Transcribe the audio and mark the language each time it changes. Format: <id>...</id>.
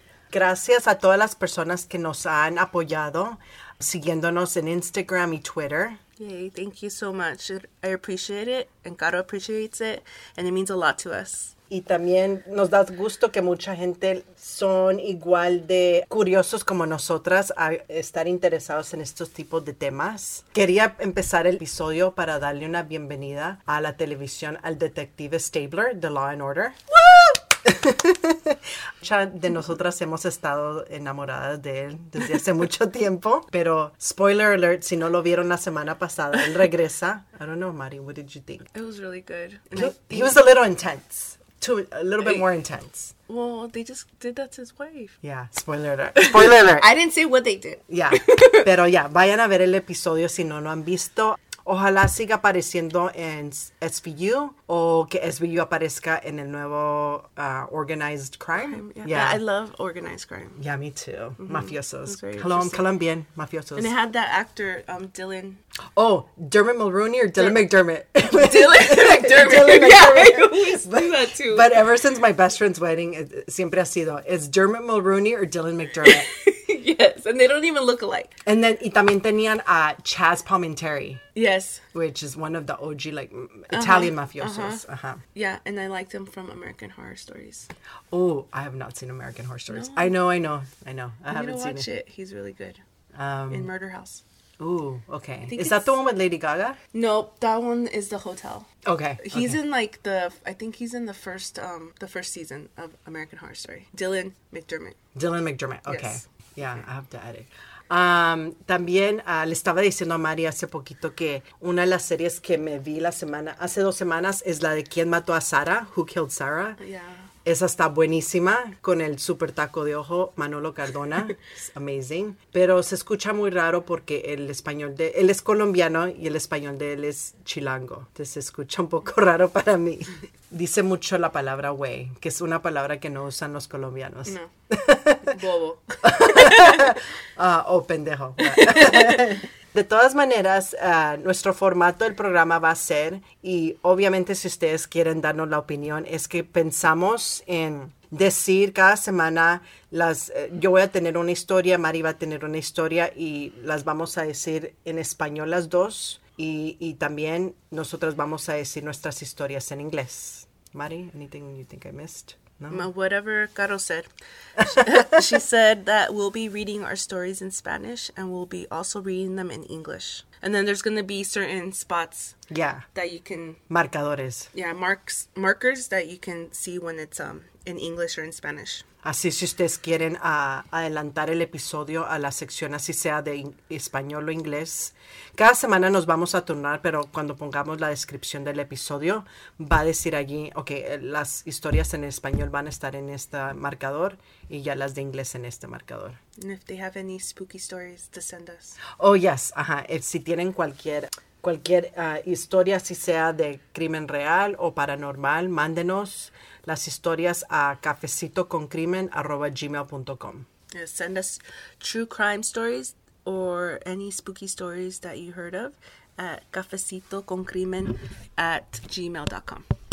<es>Gracias a todas las personas que nos han apoyado siguiéndonos en Instagram y Twitter.</es> <en>Yay, thank you so much. I appreciate it, and Caro appreciates it, and it means a lot to us.</en> <es>Y también nos da gusto que mucha gente son igual de curiosos como nosotras a estar interesados en estos tipos de temas. Quería empezar el episodio para darle una bienvenida a la televisión al detective Stabler de Law and Order. Mucha de nosotras hemos estado enamoradas de él desde hace mucho tiempo, pero</es> <en>spoiler alert,</en> <es>si no lo vieron la semana pasada, él regresa.</es> <en>I don't know, Mari, what did you think? It was really good. He was a little intense. A little bit more intense. Well, they just did that to his wife. Yeah, spoiler alert. Spoiler alert. I didn't say what they did.</en> <es>Yeah, pero ya, vayan a ver el episodio si no lo han visto. Ojalá siga apareciendo en SVU o que SVU aparezca en el nuevo Organized Crime.</es> <en>Yeah, I love Organized Crime. Yeah, me too. Mm-hmm. Mafiosos. Colombian mafiosos. And it had that actor, Dylan. Oh, Dermot Mulroney or Dylan McDermott? Dylan McDermott. Yeah, I always do that too. But ever since my best friend's wedding,</en> <es>siempre ha sido,</es> <en>is Dermot Mulroney or Dylan McDermott? Yes, and they don't even look alike. And then,</en> <es>y también tenían a Chaz Palminteri.</es> <en>Yes. Which is one of the OG, like, Italian mafiosos. Uh-huh. Uh-huh. Yeah, and I liked them from American Horror Stories. Oh, I have not seen American Horror Stories. No. I know. I haven't seen it. He's really good. In Murder House. Ooh, okay. Is that the one with Lady Gaga? Nope, that one is The Hotel. Okay. He's in the first season of American Horror Story. Dylan McDermott, okay. Yes. Yeah, I have to add it.</en> <es>Le estaba diciendo a Mari hace poquito que una de las series que me vi hace 2 semanas es la de ¿Quién mató a Sarah?</es> <en>Who Killed Sarah? Yeah.</en> <es>Esa está buenísima, con el super taco de ojo, Manolo Cardona.</es> <en>It's amazing.</en> <es>Pero se escucha muy raro porque el español de él es colombiano y el español de él es chilango. Entonces se escucha un poco raro para mí. Dice mucho la palabra güey, que es una palabra que no usan los colombianos. No. Bobo. pendejo. De todas maneras, nuestro formato del programa va a ser, y obviamente si ustedes quieren darnos la opinión, es que pensamos en decir cada semana, yo voy a tener una historia, Mari va a tener una historia, y las vamos a decir en español las dos. Y también nosotras vamos a decir nuestras historias en inglés.</es> <en>Mari, anything you think I missed? No? Whatever Caro said. She said that we'll be reading our stories in Spanish and we'll be also reading them in English. And then there's going to be certain spots. Yeah. That you can.</en> <es>Marcadores.</es> <en>Yeah, markers that you can see when it's in English or in Spanish.</en> <es>Así si ustedes quieren adelantar el episodio a la sección, así sea de español o inglés. Cada semana nos vamos a turnar, pero cuando pongamos la descripción del episodio, va a decir allí, ok, las historias en español van a estar en este marcador y ya las de inglés en este marcador.</es> <en>And if they have any spooky stories to send us. Oh, yes.</en> <es>Ajá. Si tienen cualquier historia, si sea de crimen real o paranormal, mándenos las historias a cafecitoconcrimen@gmail.com.</es> <en>Yeah, send us true crime stories or any spooky stories that you heard of at cafecitoconcrimen@gmail.com.</en>